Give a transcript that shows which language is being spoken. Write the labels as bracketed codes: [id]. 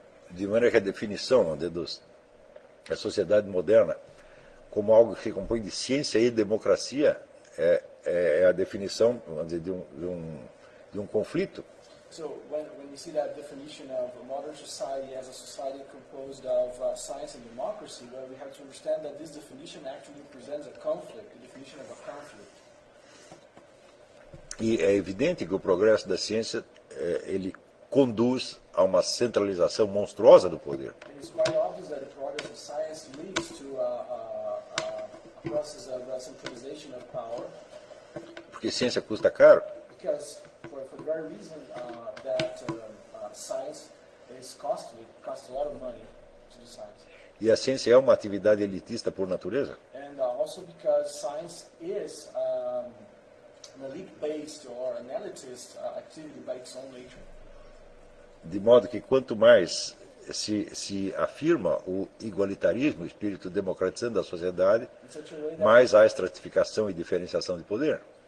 [pt] De maneira que a definição da sociedade moderna como algo que compõe de ciência e democracia é a definição, vamos dizer, de um conflito. [en] So when you see that definition of a modern society as a society composed of science and democracy, well, we have to understand that this definition actually presents a conflict, the definition of a conflict. [pt] E é evidente que o progresso da ciência ele conduz a uma centralização monstruosa do poder. [en] And it's quite obvious that the progress of science leads to a process of centralization of power. [pt] Porque ciência custa caro. [en] Because for the very reason that science is costly, it costs a lot of money to the science. [pt] E a ciência é uma atividade elitista por natureza. [en] And also because science is an elite-based or an elitist activity by its own nature. [pt] De modo que quanto mais se afirma o igualitarismo, o espírito democratizando a sociedade, mais há estratificação e diferenciação de poder.